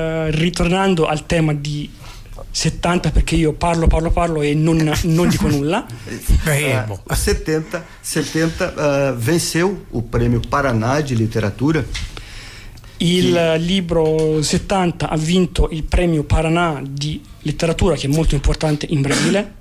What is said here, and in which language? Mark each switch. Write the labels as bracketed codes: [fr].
[it] ritornando al tema di 70, perché io parlo e non dico nulla. [pt] A 70 venceu o prêmio Paraná de literatura. [it] Libro 70 ha vinto il premio Paraná di letteratura, che è molto importante in Brasile.